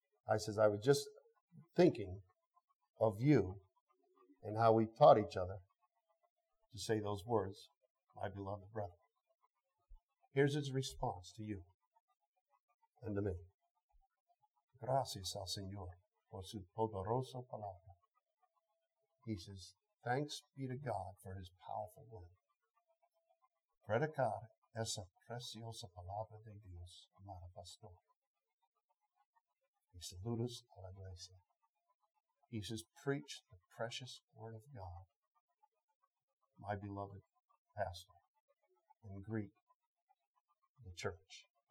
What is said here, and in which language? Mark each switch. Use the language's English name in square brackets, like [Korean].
[English] I said I was just thinking of you and how we taught each other to say those words, my beloved brother. Here's his response to you and to me. [Spanish] Gracias al Señor por su poderosa palabra. [English] He says, thanks be to God for his powerful word. [Spanish] Predicar esa preciosa palabra de Dios, amado pastor. Y saludos a la iglesia. [English] He says, preach the precious word of God, my beloved pastor, in Greek. The church.